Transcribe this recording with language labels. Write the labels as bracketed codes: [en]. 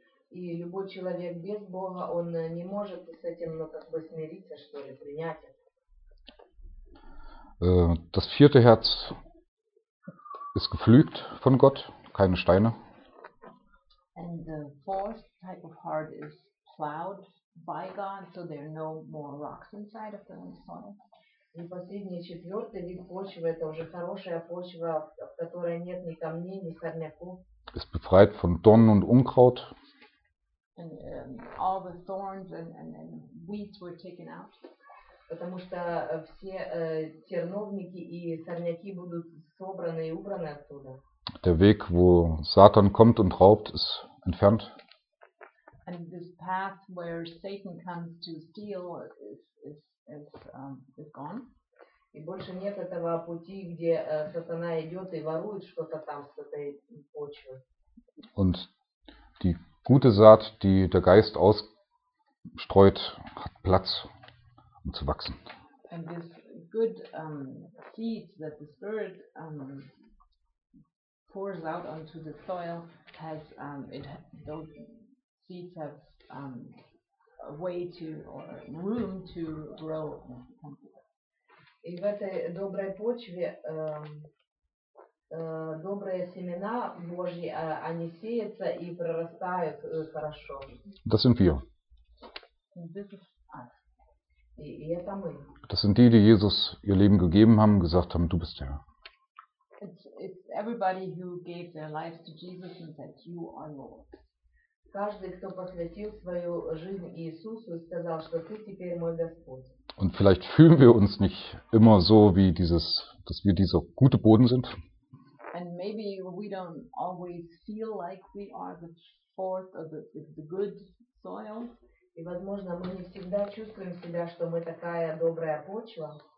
[ru] И любой человек без Бога, он не может с этим, ну, как бы смириться, что ли, принять это. [de] Das vierte Herz ist gepflügt von Gott, keine Steine. [en] And the fourth type of heart is plowed by God, so there are no more rocks inside of the soil. [ru] И последний, четвертый вид почвы, это уже хорошая почва, в которой нет ни камней, ни сорняков. [de] Ist befreit von Dornen und Unkraut. [en] And all the thorns and weeds were taken out. [ru] Потому что все терновники и сорняки будут собраны и убраны оттуда. [de] Der Weg, wo Satan kommt und raubt, ist entfernt. [en] And this path where Satan comes to steal is gone. [ru] И больше нет этого пути, где сатана идет и ворует что-то там с этой почвы. [de] Und die gute Saat, die der Geist ausstreut, hat Platz, um zu wachsen. [en] And this good seed that the Spirit pours out onto the soil has those seeds have a way to or room to grow. [ru] И в этой доброй почве добрые семена Божьи, они сеются и прорастают хорошо. [de] Das sind wir. [en] This is us. [ru] И это мы. [de] Das sind die, die Jesus ihr Leben gegeben haben, gesagt haben, du bist der Herr. [en] It's everybody who gave their lives to Jesus and said, you are Lord. [ru] Каждый, кто посвятил свою жизнь Иисусу, сказал, что ты теперь мой Господь. [de] Und vielleicht fühlen wir uns nicht immer so, wie dieses, dass wir dieser gute Boden sind. [en] And maybe we don't always feel like we are the fourth or the good soil. [ru] И возможно, мы не всегда чувствуем себя, что мы такая добрая почва.